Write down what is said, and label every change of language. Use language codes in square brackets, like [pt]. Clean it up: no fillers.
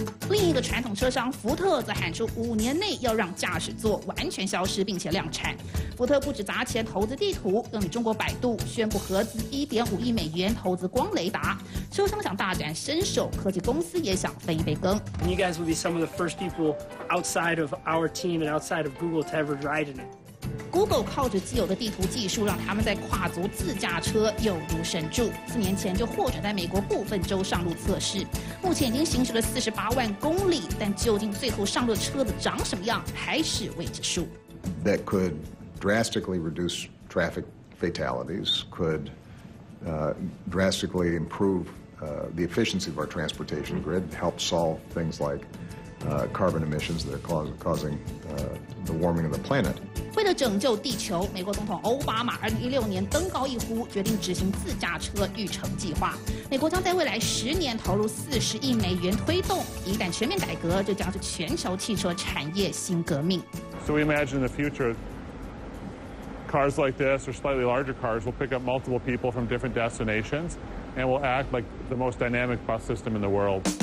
[zh] 另一个传统车商福特则喊出5年内要让驾驶座完全消失并且量产。福特不止砸钱投资地图，更与中国百度宣布合资1.5亿美元投资光雷达。车商想大展身手，科技公司也想分一杯羹。 [en] And you guys will be some of the first people outside of our team and outside of Google to ever ride in it. [zh] Google 靠着既有的地图技术，让他们在跨足自驾车又如神助。四年前就获准在美国部分州上路测试，目前已经行驶了48万公里。但究竟最后上路车子长什么样，还是未知数。 [en] That could drastically reduce traffic fatalities. Could drastically improve the efficiency of our transportation grid. Help solve things like carbon emissions that are causing the warming of the planet. [zh] 为了拯救地球，美国总统奥巴马2016年登高一呼，决定执行自驾车育成计划。美国将在未来10年投入40亿美元推动。一旦全面改革，这将是全球汽车产业新革命。 [en] So we imagine the future. Cars like this, or slightly larger cars, will pick up multiple people from different destinations and will act like the most dynamic bus system in the world.